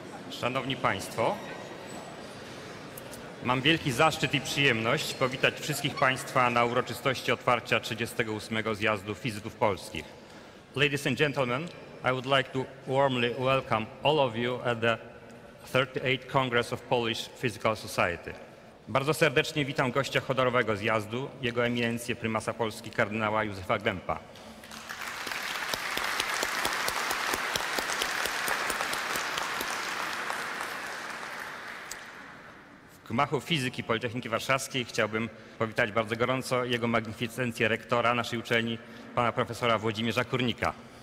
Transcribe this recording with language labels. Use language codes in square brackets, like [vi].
[pl] Szanowni Państwo, mam wielki zaszczyt i przyjemność powitać wszystkich Państwa na uroczystości otwarcia 38. Zjazdu Fizyków Polskich. [en] Ladies and gentlemen, I would like to warmly welcome all of you at the 38th Congress of Polish Physical Society. [pl] Bardzo serdecznie witam gościa honorowego zjazdu, jego eminencję prymasa Polski kardynała Józefa Gępa. W gmachu fizyki Politechniki Warszawskiej chciałbym powitać bardzo gorąco jego magnificencję rektora naszej uczelni, pana profesora Włodzimierza Kurnika.